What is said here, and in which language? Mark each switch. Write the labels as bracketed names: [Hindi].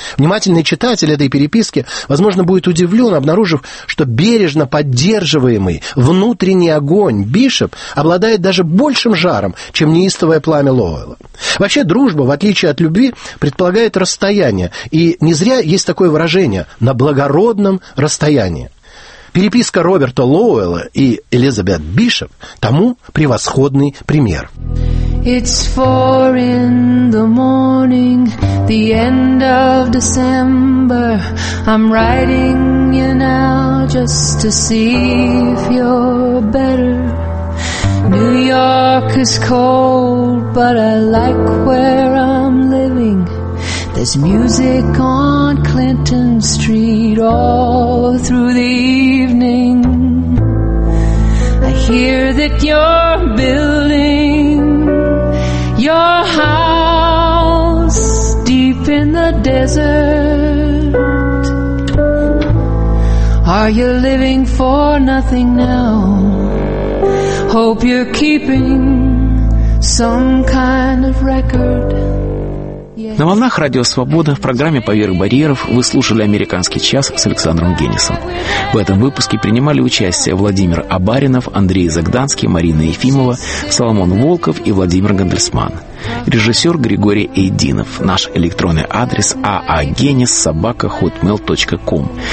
[Russian] Внимательный читатель этой переписки, возможно, будет удивлен, обнаружив, что бережно поддерживаемый внутренний огонь Бишоп обладает даже большим жаром, чем неистовое пламя Лоуэлла. Вообще, дружба, в отличие от любви, предполагает расстояние. И не зря есть такое выражение «на благородном расстоянии». Переписка Роберта Лоуэлла и Элизабет Бишоп тому превосходный пример. [English] It's 4 in the morning, the end of December. I'm writing you now just to see if you're better. New York is cold, but I like where I'm living. There's music on Clinton Street all through the evening. I hear that you're building your house deep in the desert. Are you living for nothing now? Hope you're keeping some kind of record. [Russian] На волнах «Радио Свобода» в программе «Поверх барьеров» вы слушали «Американский час» с Александром Генисом. В этом выпуске принимали участие Владимир Абаринов, Андрей Загданский, Марина Ефимова, Соломон Волков и Владимир Гандельсман. Режиссер Григорий Эйдинов. Наш электронный адрес aagenis@hotmail.com.